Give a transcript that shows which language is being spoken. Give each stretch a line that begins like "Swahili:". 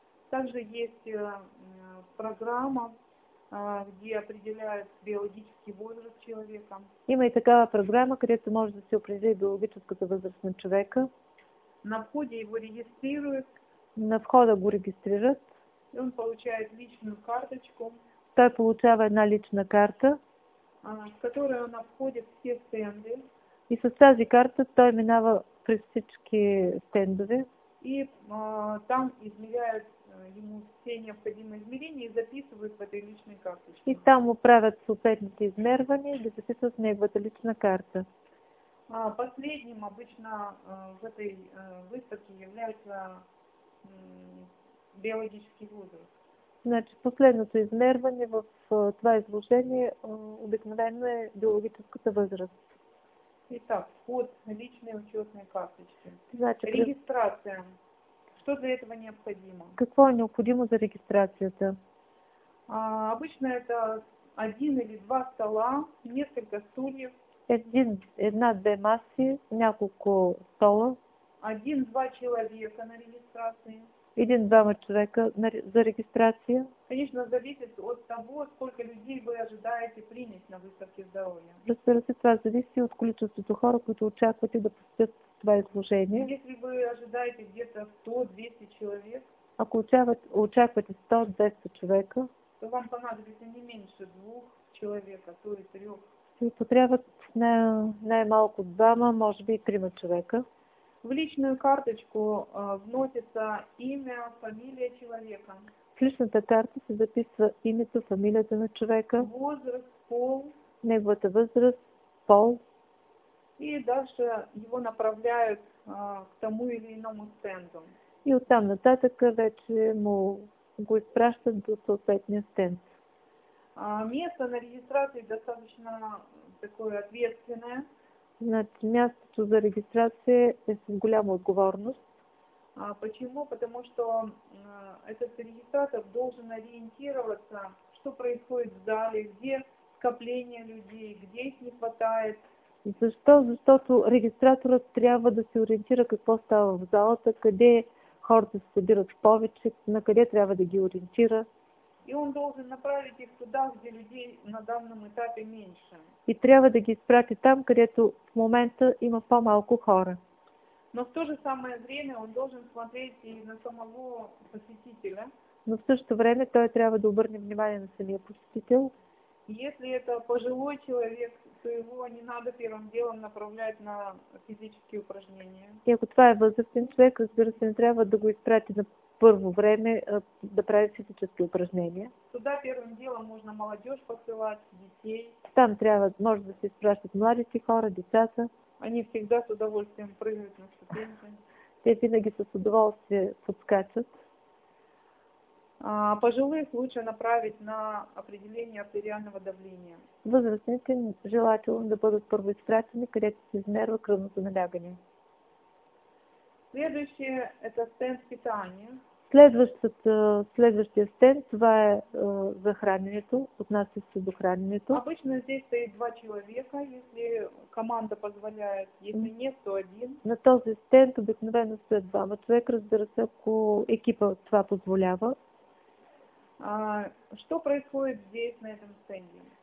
Russian: Также есть программа, где определяют биологический возраст человека.
Bulgarian: Има и такава програма, където може да се определи биологическата възраст на човека.
Russian: На входе его регистрируют.
Bulgarian: На входа го регистрират.
Russian: И он получает личную карточку.
Bulgarian: Той получава една лична карта,
Russian: с которой он обходит все стенды.
Bulgarian: И с тази карта той минава през всички стендове.
Russian: И там измеряют ему все необходимые измерения и записывают в этой личной карточке.
Bulgarian: И там управят съответните измервания и
Russian: записывают
Bulgarian: в неговата лична карта.
Russian: Последним обычно в этой выставке является биологический возраст.
Bulgarian: Значит, последното измерване в това изложение обикновено е биологическата възраст.
Russian: Итак, вход личной учетной карточки. Значит, регистрация. Что для этого необходимо?
Bulgarian: Какво е необходимо за регистрацията?
Russian: Обычно это один или два стола, несколько стульев.
Bulgarian: Една-две маси, няколко стола.
Russian: Один-два человека на регистрации.
Bulgarian: Един-двама човека за регистрация.
Russian: Конечно, зависит от того, сколько людей вы ожидаете принять на выставке здоровья.
Bulgarian: Разбира се, това зависи от количеството хора, които очаквате да посетят това изложение.
Russian: Если вы ожидаете где-то 100-200 человек,
Bulgarian: ако очаквате 100-200 човека,
Russian: то вам понадобится не меньше двух человек, а то и трех.
Bulgarian: Ви потребват най-малко двама, може би и трима човека.
Russian: В личную карточку вносится имя, фамилия человека.
Bulgarian: В личната карта се записва името, фамилията на човека.
Russian: Возраст, пол.
Bulgarian: Неговата възраст, пол.
Russian: И дальше его направляют к тому или иному стенду.
Bulgarian: И оттам нататък вече му го изпращат до съответния стенд.
Russian: Место на регистрации достаточно такое ответственное.
Bulgarian: Значи мястото за регистрация е с голяма отговорност.
Russian: Почему? Потому что этот регистратор должен ориентироваться, что происходит в зале, где скопление людей, где их не хватает.
Bulgarian: Защо? Защото регистраторът трябва да се ориентира какво става в залата, къде хората се събират повече, на къде трябва да ги ориентира.
Russian: И он должен направить их туда, где людей на данном этапе меньше.
Bulgarian: И трябва да ги изпрати там, където в момента има по-малко хора.
Russian: Но в то же самое время он должен смотреть и на самого посетителя.
Bulgarian: Но в същото време той трябва да обърне внимание на самия посетител.
Russian: Если это пожилой человек, то его не надо первым делом направлять на физические упражнения.
Bulgarian: И ако това е възрастен човек, разбира се, не трябва да го изпрати на първо време да прави физически упражнения.
Russian: Туда первым делом можно молодежь посылать, детей.
Bulgarian: Там трябва, може да се изпращат младите хора, децата.
Russian: Они всегда с удовольствием прыгают на ступеньки.
Bulgarian: Те винаги с удоволствие подскачат.
Russian: А пожилых лучше направить на определение артериального давления.
Bulgarian: Възрастните желателно да бъдат първо изпратени, където се измерва кръвното налягане.
Russian: Следующее это стенд питания.
Bulgarian: Следващия стенд, това е за храненето, отнася се до храненето.
Russian: Обычно здесь стоит два человека, если команда позволяет, если нет, то один.
Bulgarian: На този стенд обикновено стоят двама човека, разбира се, ако екипа това позволява.
Russian: А что происходит здесь, на этом стенде?